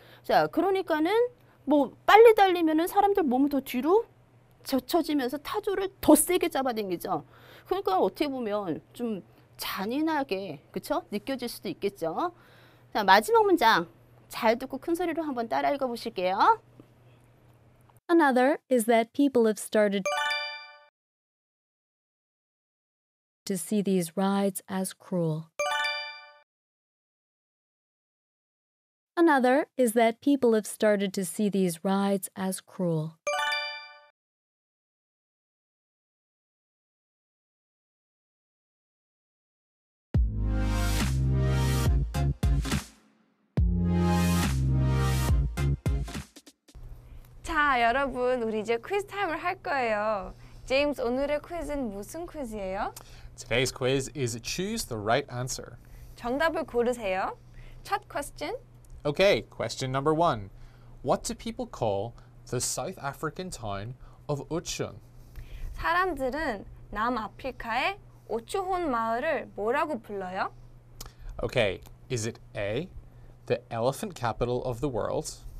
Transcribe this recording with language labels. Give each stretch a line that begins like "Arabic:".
Korean: 자, 그러니까는 뭐 빨리 달리면은 사람들 몸을 더 뒤로 젖혀지면서 타조를 더 세게 잡아당기죠. 그러니까 어떻게 보면 좀 잔인하게, 그렇죠? 느껴질 수도 있겠죠. 자, 마지막 문장 잘 듣고 큰 소리로 한번 따라 읽어 보실게요.
English: Another is that people have started to see these rides as cruel. Another is that people have started to see these rides as cruel.
Korean: Ah, 여러분, 우리 이제 퀴즈 타임을 할 거예요. James, 오늘의 퀴즈는 무슨 퀴즈예요?
English: Today's quiz is choose the right answer.
Korean: 정답을 고르세요. 첫 question.
English: Okay, question number one. What do people call the South African town of Oudtshoorn?
Korean: 사람들은 남아프리카의 오추혼 마을을 뭐라고 불러요?
English: Okay, is it A, the elephant capital of the world?